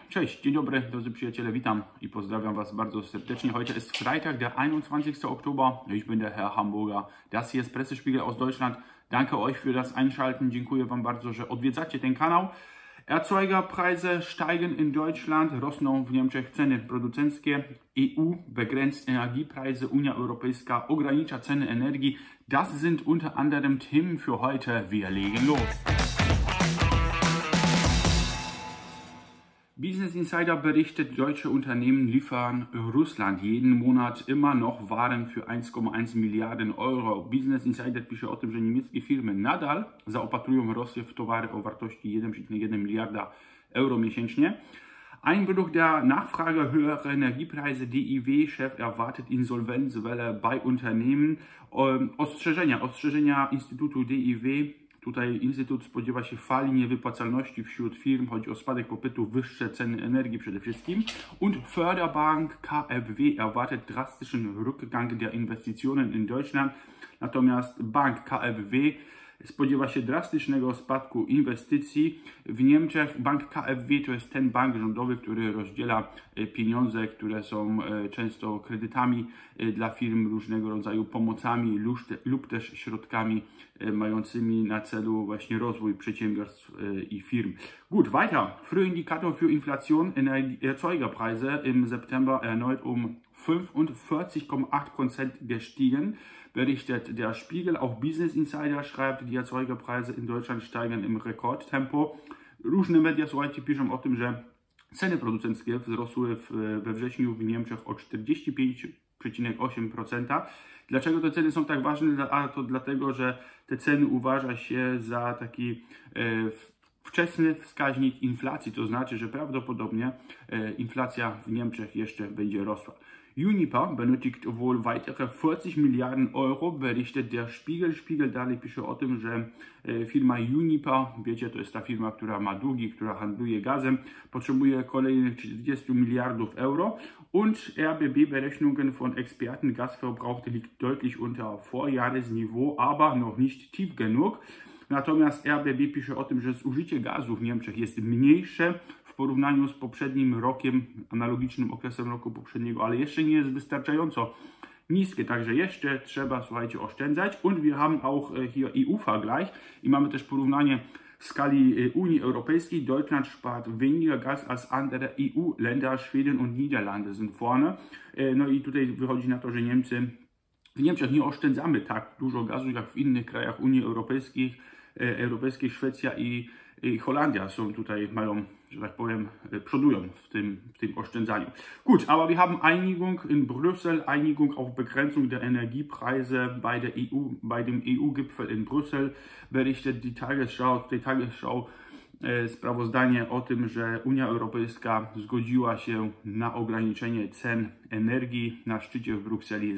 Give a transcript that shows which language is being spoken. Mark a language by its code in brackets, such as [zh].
[pl] Cześć, dzień dobry, drodzy przyjaciele, witam i pozdrawiam was bardzo serdecznie. [de] Heute ist Freitag, der 21. Oktober. Ich bin der Herr Hamburger. Das hier ist Pressespiegel aus Deutschland. Danke euch für das Einschalten. [pl] Dziękuję wam bardzo, że odwiedzacie ten kanał. [de] Erzeugerpreise steigen in Deutschland, [pl] rosną w Niemczech ceny producenckie. [de] EU begrenzt Energiepreise, [pl] Unia Europejska ogranicza ceny energii. [de] Das sind unter anderem Themen für heute. Wir legen los! Business Insider berichtet, deutsche Unternehmen liefern Russland jeden Monat immer noch Waren für 1,1 Milliarden Euro. [pl] Business Insider pisze o tym, że niemieckie firmy nadal zaopatrują Rosję w towary o wartości 1,1 miliarda euro miesięcznie. [de] Einbruch der Nachfrage, höhere Energiepreise, DIW-Chef erwartet Insolvenzwelle bei Unternehmen. [pl] Ostrzeżenia Instytutu DIW. Tutaj Instytut spodziewa się fali niewypłacalności wśród firm, chodzi o spadek popytu, wyższe ceny energii przede wszystkim. [de] Und Förderbank KfW erwartet drastischen Rückgang der Investitionen in Deutschland. [pl] Natomiast Bank KfW spodziewa się drastycznego spadku inwestycji w Niemczech. Bank KfW to jest ten bank rządowy, który rozdziela pieniądze, które są często kredytami dla firm, różnego rodzaju pomocami lub też środkami mającymi na celu właśnie rozwój przedsiębiorstw i firm. [de] Gut, weiter. Früher Indikator für Inflation, Erzeugerpreise im September erneut um 45,8% gestiegen, berichtet der Spiegel. Auch Business Insider schreibt, die Erzeugerpreise in Deutschland steigen im Rekordtempo. [pl] Różne media słuchajcie piszą o tym, że ceny producenckie wzrosły we wrześniu w Niemczech o 45,8%. Dlaczego te ceny są tak ważne? A to dlatego, że te ceny uważa się za taki wczesny wskaźnik inflacji. To znaczy, że prawdopodobnie inflacja w Niemczech jeszcze będzie rosła. [de] Uniper benötigt wohl weitere 40 Milliarden Euro, berichtet der Spiegel. [pl] Spiegel dalej pisze o tym, że firma Uniper, wiecie, to jest ta firma, która ma długi, która handluje gazem, potrzebuje kolejnych 40 miliardów euro. [de] Und RBB-Berechnungen von Experten, Gasverbrauch liegt deutlich unter Vorjahresniveau, aber noch nicht tief genug. [pl] Natomiast RBB pisze o tym, że zużycie gazu w Niemczech jest mniejsze w porównaniu z poprzednim rokiem, analogicznym okresem roku poprzedniego, ale jeszcze nie jest wystarczająco niskie, także jeszcze trzeba, słuchajcie, oszczędzać. [de] Und wir haben auch hier EU-Vergleich [pl] i mamy też porównanie w skali Unii Europejskiej. [de] Deutschland spart weniger Gas als andere EU-Länder, Schweden und Niederlande sind vorne. [pl] No i tutaj wychodzi na to, że Niemcy... W Niemczech nie oszczędzamy tak dużo gazu jak w innych krajach Unii Europejskiej. Szwecja i Holandia są tutaj, mają, że tak powiem, przodują w tym oszczędzaniu. [de] Gut, aber wir haben Einigung in Brüssel, Einigung auf Begrenzung der Energiepreise bei der EU, bei dem EU-Gipfel in Brüssel, berichtet die Tagesschau, [pl] tej Tagesschau sprawozdanie o tym, że Unia Europejska zgodziła się na ograniczenie cen energii na szczycie w Brukseli.